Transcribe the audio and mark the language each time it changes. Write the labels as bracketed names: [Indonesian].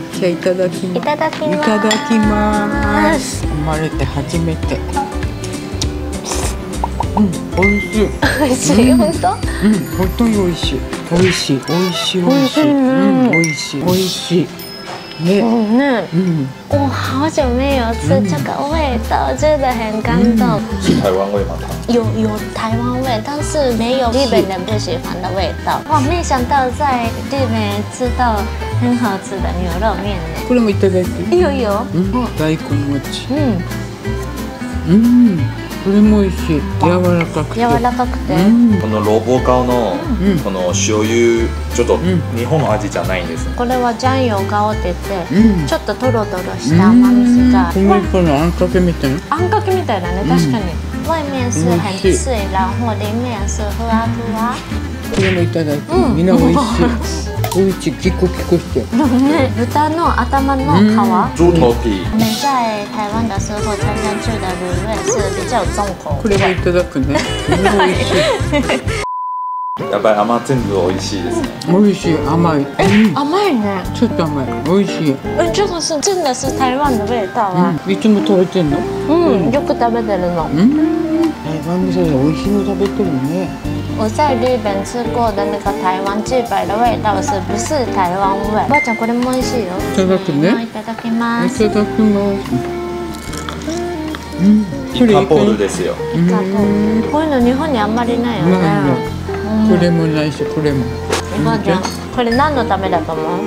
[Japanese] じゃあいただきます。いただきます。いただきます。生まれて初めて。うん、美味しい。美味しい、本当？うん、本当に美味しい。美味しい、美味しい、美味しい。味しい、美味しい。ね。ね。 [Chinese] 我好久没有吃这个味道，真的很感动。是台湾味吗？有台湾味，但是没有日本人不喜欢的味道。哇，没想到在日本吃到很好吃的牛肉面呢。 [Japanese] これもいただいて。 [Chinese] 有。 [Japanese] 大根餅。これも美味しい。柔らかくて。柔らかくて。この萝卜糕のこの醤油ちょっと日本の味じゃないんです。これは醤油糕って言って、ちょっとトロトロした甘みが。すごいこのあんかけみたいな。あんかけみたいだね、確かに。 [Chinese] 外面是很脆，然后里面是ふわふわ。 [Japanese] これもいただいて。みんな美味しい。おいちキコキコして。豚の頭の皮。 [Chinese] 猪头皮。我们在台湾的时候常常吃的卤味是比较重口。 [Japanese] これもいただくね。やっぱり甘全部美味しいですね。美味しい甘い。甘いね。ちょっと甘い。美味しい。 [Chinese] 这个是真的是台湾的味道啊。 [Japanese] いつも食べてるの。よく食べてるの。台湾の人は美味しいの食べてるね。 [Chinese] 我在日本吃过的那个台湾鸡排的味道是不是台湾味？ [Japanese] おばあちゃんこれも美味しいよ。いただくね。いただきます。いただきます。これイカボールですよ。イカボール。こういうの日本にあんまりないよね。これもないし、これも。おばあちゃん。これ何のためだと思う？